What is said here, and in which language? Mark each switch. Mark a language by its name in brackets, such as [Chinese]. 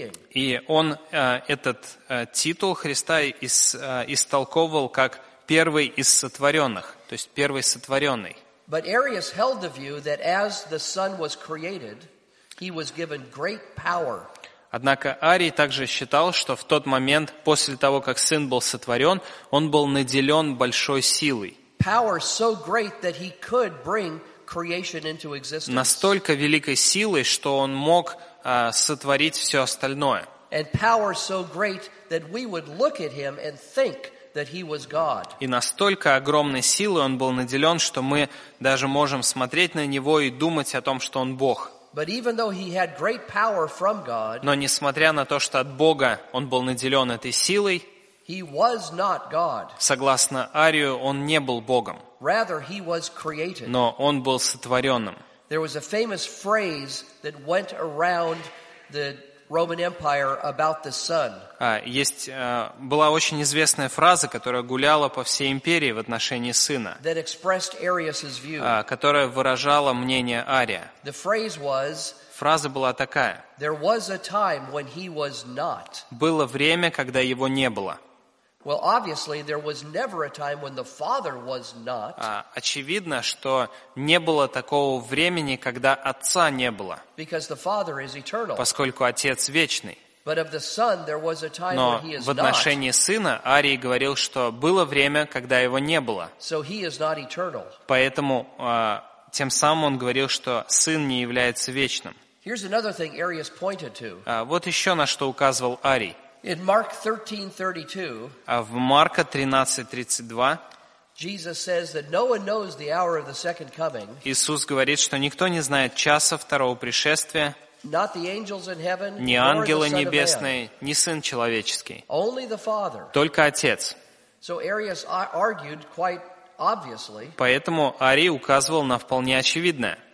[Russian] И Он титул Христа истолковывал как первый из сотворенных, то есть первый сотворенный. [English] But Arius held the view that as the Son was created, he was given great power. [Russian] Однако Арий также считал, что в тот момент, после того, как Сын был сотворен, он был наделен большой силой. [English] Power so great that he could bring creation into existence. [Russian] Настолько великой силой, что он мог сотворить все остальное. [English] And power so great that we would look at him and think that he was God. [Russian] И настолько огромной силой он был наделен, что мы даже можем смотреть на него и думать о том, что он Бог. [English] But even though he had great power from God, [Russian] но несмотря на то, что от Бога он был наделен этой силой, [English] he was not God. [Russian] Согласно Арию, он не был Богом. [English] Rather, he was created. [Russian] Но он был сотворенным. [English] There was a famous phrase that went around the Roman Empire about the Son. [Russian] Была очень известная фраза, которая гуляла по всей империи в отношении Сына, [English] that expressed Arius's view. [Russian] Которая выражала мнение Ария. [English] The phrase was, [Russian] фраза была такая. [English] There was a time when he was not. [Russian] Было время, когда его не было. [English] Well, obviously, there was never a time when the Father was not. [Russian] Очевидно, что не было такого времени, когда Отца не было. [English] Because the Father is eternal. [Russian] Поскольку Отец вечный. [English] But of the Son, there was a time when He is not. [Russian] Но в отношении Сына Арий говорил, что было время, когда Его не было. [English] So He is not eternal. [Russian] Поэтому тем самым он говорил, что Сын не является вечным. [English] Here's another thing Arius pointed to. [Russian] Вот еще на что указывал Арий. [English] In Mark 13:32, [Russian] в Марка 13:32, [English] Jesus says that no one knows the hour of the second coming. [Russian] Иисус говорит, что никто не знает часа второго пришествия. [English] Not the angels in heaven, nor the Son of Man. [Russian] Ни ангелы небесные, ни Сын человеческий. [English] Only the Father. [Russian] Только Отец. [English] So Arius argued quite obviously. [Russian] Поэтому Арий указывал на вполне очевидное.